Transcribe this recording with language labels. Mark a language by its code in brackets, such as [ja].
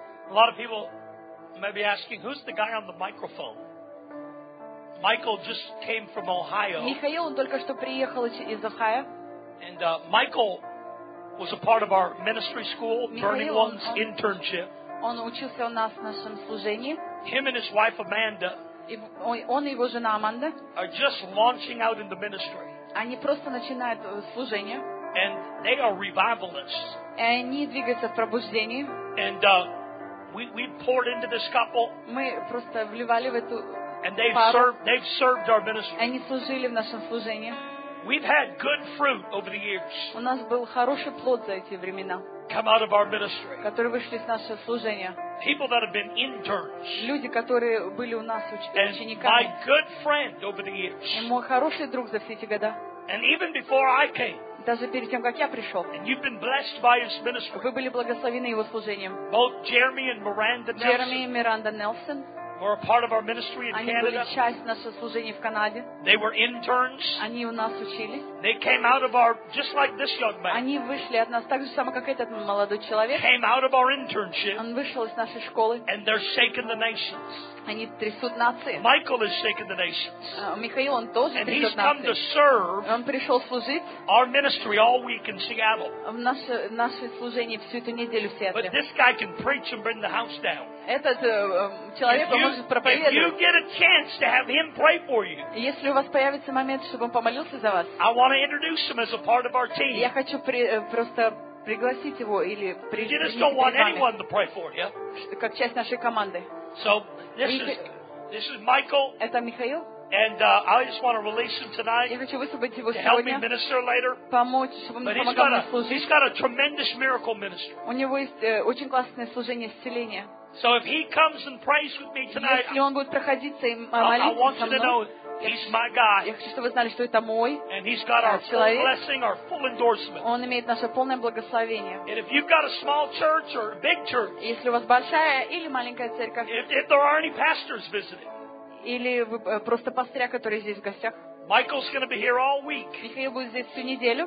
[en] A lot of people may be asking, who's the guy on the microphone? Michael just came from Ohio. [ru] Михаил, он только что приехал из Охайо. [en] And Michael was a part of our ministry school, Burning Ones internship. [ru] Он учился у нас в нашем служении. [en] Him and his wife Amanda. [ru] Он и его жена Аманда. [en] Are just launching out in the ministry. [ru] Они просто начинают служение. [en] And they are revivalists. [ru] Они двигаются в пробуждении. [en] And we poured into this couple. [ru] Мы просто вливали в эту. [en] And they've served our ministry. [ru] Они служили в нашем служении. [en] We've had good fruit over the years. [ru] У нас был хороший плод за эти времена. [en] Come out of our ministry. [ru] Которые вышли из нашего служения. [en] People that have been interns. [ru] Люди, которые были у нас учениками. [en] And my good friend over the years. [ru] И мой хороший друг за все эти года. [en] And even before I came. [ru] Даже перед тем, как я пришел. [en] And you've been blessed by his ministry. [ru] Вы были благословены его служением. [en] Both Jeremy and Miranda Nelson. [ru] Jeremy и Миранда Нелсон. [en] Were a part of our ministry in Canada. [ru] Они были часть нашего служения в Канаде. [en] They were interns. [ru] Они у нас учились. [en] They came out of our just like this young man. [ru] Они вышли от нас так же само, как этот молодой человек. [en] Came out of our internship. [ru] Он вышел из нашей школы. [en] And they're shaking the nations. [ru] Они трясут нации. [en] Michael is shaking the nations. [ru] Михаил, он тоже трясет нации. [en] And he's come to serve. [ru] Он пришел служить. [en] Our ministry all week in Seattle. [ru] Наше служение всю эту неделю в Сиэтле. [en] But this guy can preach and bring the house down. [ru] Этот человек может проповедовать. [en] If you get a chance to have him pray for you. [ru] Если у вас появится момент, чтобы он помолился за вас. [en] I want to introduce him as a part of our team. [ru] Я хочу просто пригласить его или [en] You just don't want anyone to pray for you. [ru] Как часть нашей команды. [en] So this is Michael. [ru] Это Михаил. [en] And I just want to release him tonight. [ru] Я хочу высвободить его сегодня. [en] Help me minister later. [ru] Помочь, чтобы он помогал мне служить. [en] He's got a tremendous miracle ministry. [ru] У него есть очень классное служение исцеления. [en] So if he comes and prays with me tonight, [ru] если он будет проходиться и молиться со мной, [en] I want you to know he's my guy. [ru] Я хочу, чтобы вы знали, что это мой. [en] And he's got our full blessing, our full endorsement. [ru] Он имеет наше полное благословение. [en] And if you've got a small church or a big church, [ru] если у вас большая или маленькая церковь, [en] if there are any pastors visiting, [ru] или вы просто пастыря, который здесь в гостях. [en] Michael's going to be here all week. [ru] Михаил будет здесь всю неделю.